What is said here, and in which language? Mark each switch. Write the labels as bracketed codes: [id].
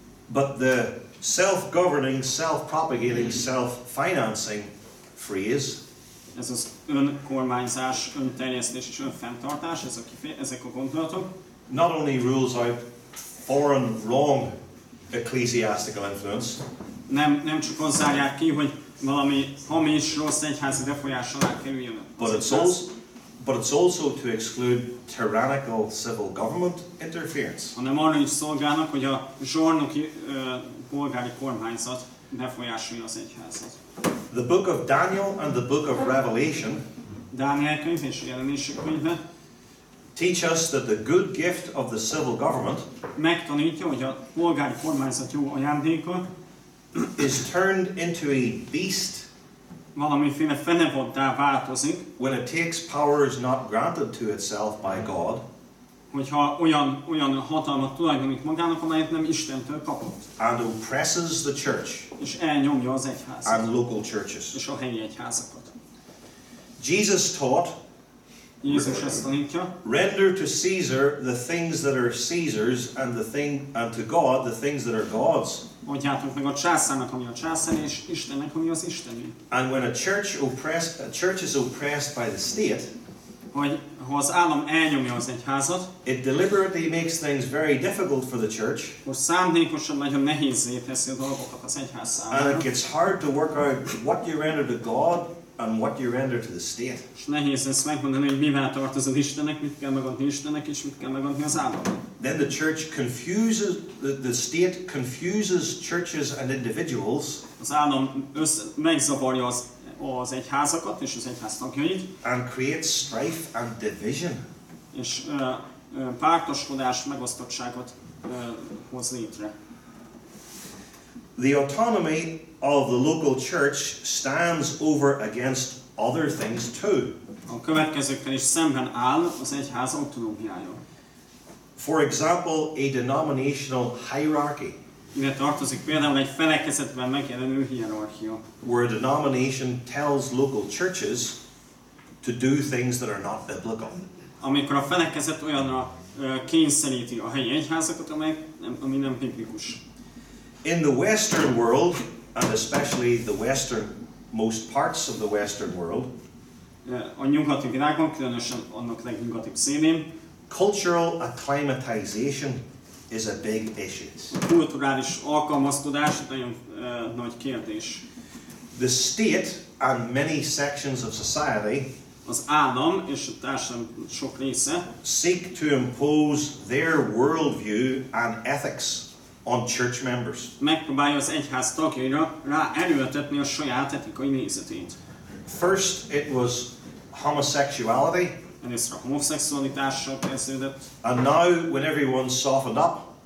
[en] But the self-governing, self-propagating, self-financing phrase. [hu] Ez az önkormányzás, önterjesztés és önfenntartás, ezek a gondolatok. [en] Not only rules out foreign wrong ecclesiastical influence. [hu] Nem csak azt zárják ki, hogy valami hamis rossz egyházi befolyás alá kerüljön. [en] But it's also to exclude tyrannical civil government interference. [hu] Hanem arra is szolgálnak, hogy a zsarnoki polgári kormányzat befolyásolja az egyházat. [en] The book of Daniel and the book of Revelation [hu] Dániel könyv és jelenések könyve [en] teach us that the good gift of the civil government [hu] megtanítja, hogy a polgári kormányzat jó ajándéka [en] is turned into a beast [hu] valamiféle fenevoddá változik, [en] when it takes powers not granted to itself by God, [hu] hogyha olyan hatalmat tulajdonít magának, amelyet nem Istentől kapott, [en] and oppresses the church, [hu] és elnyomja az egyházat, [en] and local churches, [hu] és a helyi egyházakat. [en] Jesus taught, [hu] Jézus ezt tanítja, [en] render to Caesar the things that are Caesar's, and to God the things that are God's. [hu] Adjátok meg a császárnak, ami a császár, és Istennek, ami az Istené. [en] And when a church is oppressed by the state, [hu] ha az állam elnyomja az egyházat, [en] it deliberately makes things very difficult for the church, [hu] hogy szándékosan nagyon nehézé teszi a dolgokat az egyház számára. [en] And it gets hard to work out what you render to God and what you render to the state. [hu] És nehéz lesz megmondani, hogy mivel tartozol Istennek, mit kell megadni Istennek, és mit kell megadni az államnak. [en] Then the church confuses the state confuses churches and individuals. [hu] Az állam megzavarja az egyházakat és az egyház tagjait. [en] And creates strife and division. [hu] És pártoskodás megosztottságot hoz létre. [en] The autonomy of the local church stands over against other things too. [hu] A következőkkel is szemben áll az egyház autonómiája. [en] For example, a denominational hierarchy. [hu] Ide tartozik például egy felekezetben megjelenő hierarchia. [en] Where a denomination tells local churches to do things that are not biblical. [hu] Amikor a felekezet olyanra kényszeríti a helyi egyházakat, ami nem biblikus. [en] In the Western world, and especially the western most parts of the Western world, [hu] a nyugati világban, különösen annak legnyugatibb szélén, [en] cultural acclimatization is a big issue. [hu] Kulturális alkalmazkodás nagyon nagy kérdés. [en] The state and many sections of society, [hu] az állam és a társadalom sok része, [en] seek to impose their worldview and ethics on church members. [hu] Megpróbálja az egyház tagjaira rá erőltetni a saját etikai nézetét. [en] First, it was homosexuality. [hu] Először a homoszexualitással kezdődött. [en] And now, when everyone softened up.